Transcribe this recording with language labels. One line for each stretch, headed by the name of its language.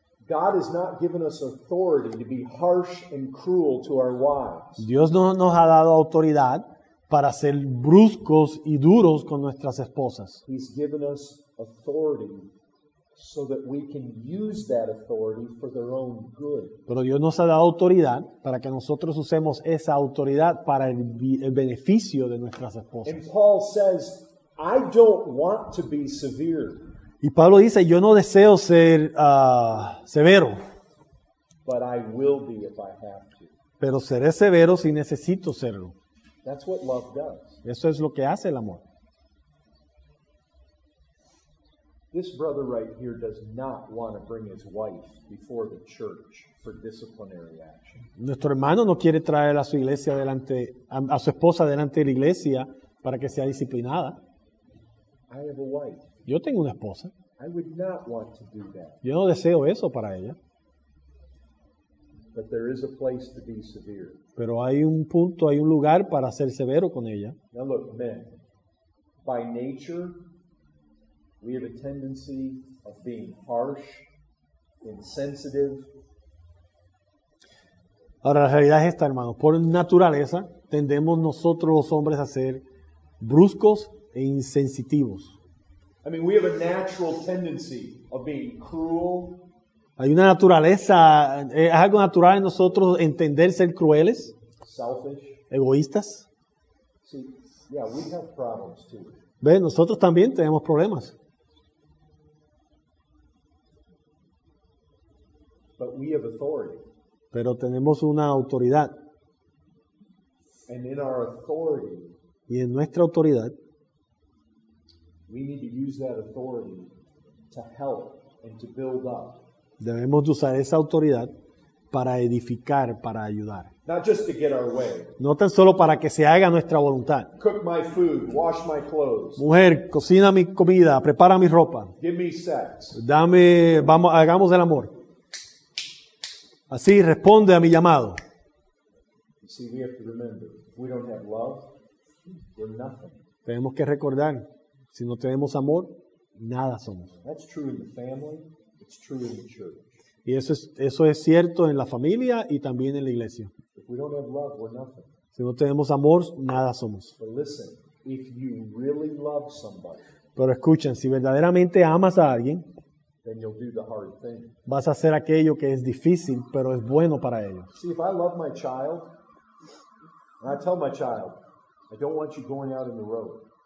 English: God has not given us authority to be harsh and cruel to our wives.
Spanish: Dios no nos ha dado autoridad para ser bruscos y duros con nuestras esposas.
English: He's given us authority so that we can use that authority for their own good.
Spanish: Pero Dios nos ha dado autoridad para que nosotros usemos esa autoridad para el beneficio de nuestras esposas.
English: And Paul says, I don't want to be severe.
Spanish: Y Pablo dice, yo no deseo ser severo.
English: But I will be if I have to.
Spanish: Pero seré severo si necesito serlo.
English: That's what love does.
Spanish: Eso es lo que hace el amor.
English: This brother right here does not want to bring his wife before the church for disciplinary action.
Spanish: Nuestro hermano no quiere traer a su esposa delante de la iglesia para que sea disciplinada.
English: I have a wife.
Spanish: Yo tengo una esposa.
English: I would not want to do that.
Spanish: Yo no deseo eso para ella.
English: But there is a place to be severe.
Spanish: Pero hay un punto, hay un lugar para ser severo con ella.
English: Now look, men, by nature, we have a tendency of being harsh, insensitive.
Spanish: Ahora, la realidad es esta, hermanos. Por naturaleza, tendemos nosotros los hombres a ser bruscos e insensitivos.
English: I mean, we have a natural tendency of being cruel.
Spanish: Hay una naturaleza, es algo natural en nosotros entender ser crueles,
English: selfish,
Spanish: egoístas.
English: See, yeah, we have problems too.
Spanish: Ve, nosotros también tenemos problemas.
English: But we have authority.
Spanish: Pero tenemos una autoridad.
English: And in our authority,
Spanish: y en nuestra autoridad,
English: we need to use that authority to help and to build up.
Spanish: Debemos usar esa autoridad para edificar, para ayudar.
English: Not just to get our way.
Spanish: No tan solo para que se haga nuestra voluntad.
English: Cook my food, wash my clothes.
Spanish: Mujer, cocina mi comida, prepara mi ropa.
English: Give me sex.
Spanish: Dame, vamos, hagamos el amor. Así responde a mi llamado.
English: See, we have to remember, if we don't have love, we're nothing.
Spanish: Tenemos que recordar, si no tenemos amor, nada somos.
English: That's true in the family. It's true in the church.
Spanish: Y eso es cierto en la familia y también en la iglesia.
English: If we don't have love, we're nothing.
Spanish: Si no tenemos amor, nada somos.
English: But listen, if you really love somebody,
Spanish: pero escuchen, si verdaderamente amas a alguien,
English: then you'll do the hard thing.
Spanish: Vas a hacer aquello que es difícil, pero es bueno para ellos.
English: See, if I love my child, and I tell my child, I don't want you going out in the road.